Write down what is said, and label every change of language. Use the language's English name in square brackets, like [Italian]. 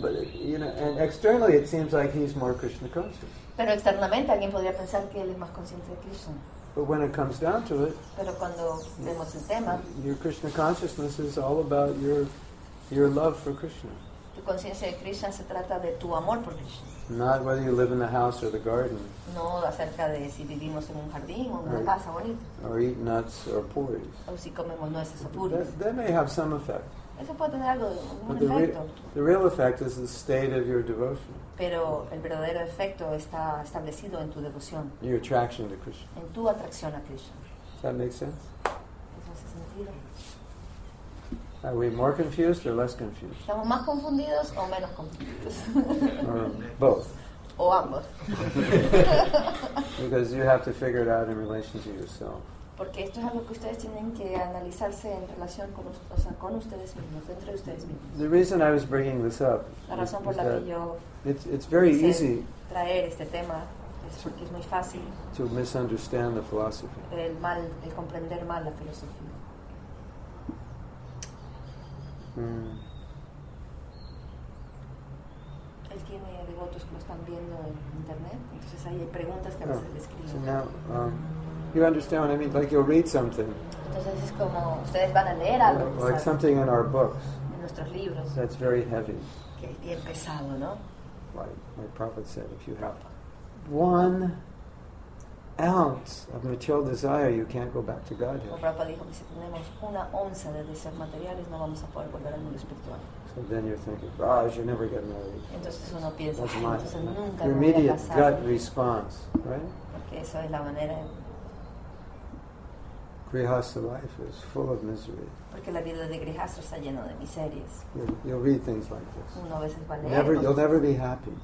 [English] But you know, and externally it seems like he's more Krishna conscious. [Spanish] Pero externamente alguien podría pensar que él es más consciente de Krishna. [English] But when it comes down to it, [Spanish] pero cuando vemos el tema, [English] your Krishna consciousness is all about your love for Krishna. [Spanish] Tu conciencia de Krishna se trata de tu amor por Krishna. [English] Not whether you live in the house or the garden. [Spanish] No acerca de si vivimos en un jardín o en una casa bonita. [English] Or eat nuts or puris. [Spanish] O si comemos nueces o puris. [English] That may have some effect. [Spanish] Eso puede tener algo, [English] but the real effect is the state of your devotion. [Spanish] Pero el verdadero efecto está establecido en tu devoción. [English] Your attraction to Krishna. [Spanish] En tu atracción a Krishna. [English] Does that make sense? [Spanish] ¿Eso hace sentido? [English] Are we more confused or less confused? [Spanish] ¿Estamos más confundidos o menos confundidos? [English] Or both. [Spanish] O ambos. [English] Because you have to figure it out in relation to yourself. [Spanish] Porque esto es algo que ustedes tienen que analizarse en relación con, o sea, con ustedes mismos, dentro de ustedes mismos. [English] The reason I was bringing this up, [Spanish] la razón por la que yo [English] it's very easy [Spanish] traer este tema es porque es muy fácil [English] to misunderstand the philosophy. [Spanish] El comprender mal la filosofía. Él tiene devotos que lo están viendo en internet, entonces ahí hay preguntas que a veces le escriben. [English] So now, you understand what I mean? Like you'll read something. [Spanish] Entonces es como ustedes van a leer algo. [English] Yeah, like something in our books. [Spanish] En nuestros libros. [English] That's very heavy. [Spanish] Que es bien pesado, ¿no? [English] Like my prophet said, if you have one ounce of material desire, you can't go back to Godhead. [Spanish] Como Prabhupada dijo, si tenemos una onza de deseos materiales, no vamos a poder volver al mundo espiritual. [English] So then you're thinking, Raj, you're never getting married. [Spanish] Entonces uno piensa, entonces nunca me voy a casar. [English] Your immediate gut response, right? [Spanish] Porque eso es la manera. [English] Grihastha life is full of misery. [Spanish] Porque la vida de grihastha está llena de miserias. [English] You'll read things like this. [Spanish] Uno a veces va a leer, [English] you'll never be happy.